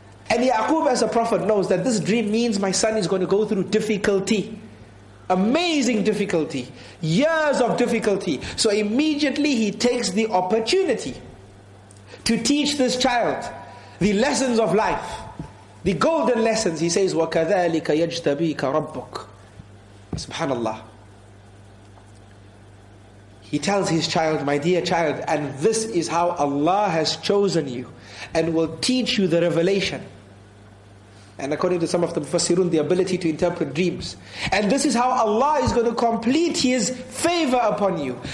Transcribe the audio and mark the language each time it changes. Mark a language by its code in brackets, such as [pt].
[en] And Yaqub as a prophet knows that this dream means my son is going to go through difficulty. Amazing difficulty. Years of difficulty. So immediately he takes the opportunity to teach this child the lessons of life, the golden lessons. He says, [ar] وَكَذَلِكَ يَجْتَبِيكَ رَبُّكَ. Subhanallah. [en] He tells his child, my dear child, and this is how Allah has chosen you and will teach you the revelation. And according to some of the Mufassirun, the ability to interpret dreams. And this is how Allah is going to complete His favor upon you.